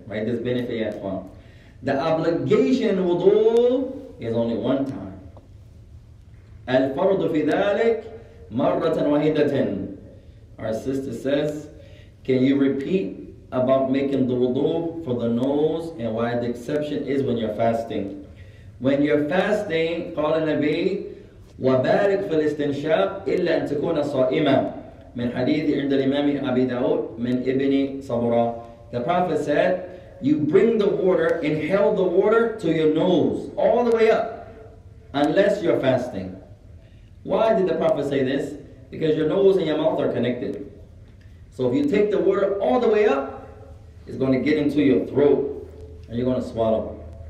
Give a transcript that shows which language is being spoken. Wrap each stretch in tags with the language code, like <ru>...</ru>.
<en>Right, this benefit at one. The obligation wudu is only one time.</en> <ar>الْفَرْضُ فِي ذَلِكَ مَرَّةً وَاحِدَةً.</ar> <en>Our sister says, can you repeat about making the wudu for the nose and why the exception is when you're fasting? When you're fasting,</en> <ar>قال النبي وبارك في الاستنشاق إلا أن تكون صائما من حديث عند الإمام أبي داود من ابن صبرا.</ar> <en>The Prophet said, you bring the water, inhale the water to your nose all the way up unless you're fasting. Why did the Prophet say this? Because your nose and your mouth are connected. So if you take the water all the way up, it's going to get into your throat and you're going to swallow.</en>